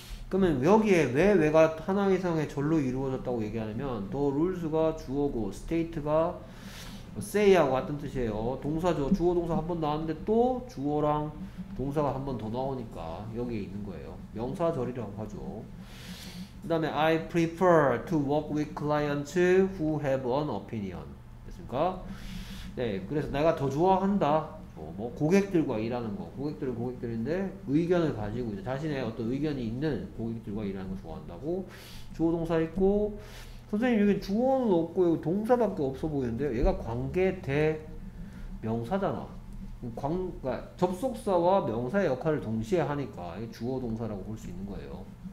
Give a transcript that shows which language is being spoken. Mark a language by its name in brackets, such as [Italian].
[Korean] 그러면 여기에 왜 외가 하나 이상의 절로 이루어졌다고 얘기하냐면, 더 룰스가 주어고, 스테이트가 세이하고 같은 뜻이에요. 동사죠. 주어 동사 한번 나왔는데 또 주어랑 동사가 한번더 나오니까 여기에 있는 거예요. 명사절이라고 하죠. [English] 그 다음에, I prefer to work with clients who have an opinion. [Korean] 됐습니까? 네. 그래서 내가 더 좋아한다. 뭐 고객들과 일하는 거, 고객들은 고객들인데 의견을 가지고 이제 자신의 어떤 의견이 있는 고객들과 일하는 걸 좋아한다고. 주어 동사 있고, 선생님 여기 주어는 없고 여기 동사밖에 없어 보이는데요. 얘가 관계 대 명사잖아. 그러니까 접속사와 명사의 역할을 동시에 하니까 이게 주어 동사라고 볼수 있는 거예요.